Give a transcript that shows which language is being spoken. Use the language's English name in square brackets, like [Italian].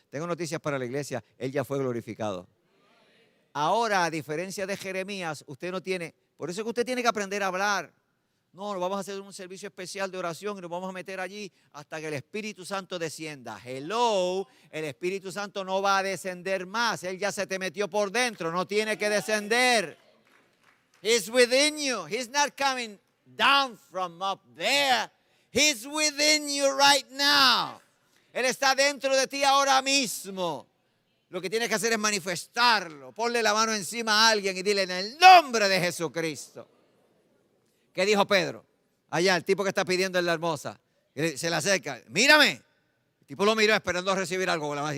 [Spanish] Tengo noticias para la iglesia: Él ya fue glorificado. Ahora, a diferencia de Jeremías, usted no tiene, por eso es que usted tiene que aprender a hablar. No, vamos a hacer un servicio especial de oración y nos vamos a meter allí hasta que el Espíritu Santo descienda. Hello, el Espíritu Santo no va a descender más. Él ya se te metió por dentro, no tiene que descender. [English] He's within you. He's not coming down from up there. He's within you right now. [Spanish] Él está dentro de ti ahora mismo. Lo que tienes que hacer es manifestarlo. Ponle la mano encima a alguien y dile: en el nombre de Jesucristo. ¿Qué dijo Pedro? Allá, el tipo que está pidiendo en la hermosa. Se le acerca: ¡mírame! El tipo lo miró esperando a recibir algo.